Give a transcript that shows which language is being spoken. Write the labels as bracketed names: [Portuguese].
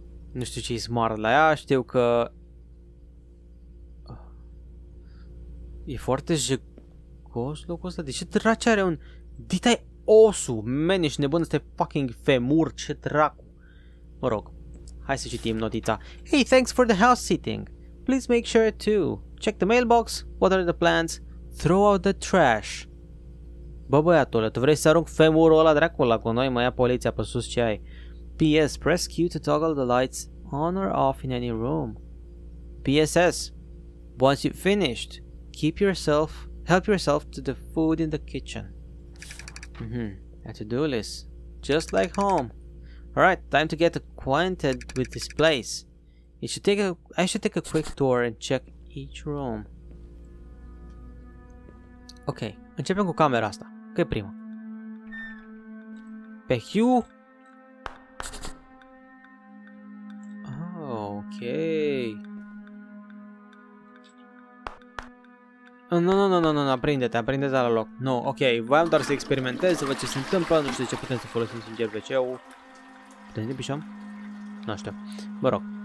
[Romanian] Nu știu ce e smart la ea, știu că... E foarte jegos locul ăsta, de ce dracu are un... Dita-i osul, man, ești nebun, ăsta e fucking femur, ce dracu. Mă rog, hai să citim notița. [English] Hey, thanks for the house sitting. Please make sure to check the mailbox, what are the plans, throw out the trash. [Romanian] Bă, băiatule, tu vrei să arunc femurul ăla dracula cu noi, mă ia poliția pe sus ce ai. [English] PS, press Q to toggle the lights on or off in any room. PSS, once you've finished, keep yourself, help yourself to the food in the kitchen. A to-do list, just like home. Alright, time to get acquainted with this place. It should take a, I should take a quick tour and check each room. [Romanian] Ok, începem cu camera asta, că e prima. Pe Hugh. Ok. No, aprinde-te la loc. Nu, ok, voiam doar să experimentez, să văd ce se întâmplă, nu știu de ce putem să folosim sincer WC-ul. Putem de pișam? Nu știu, mă rog.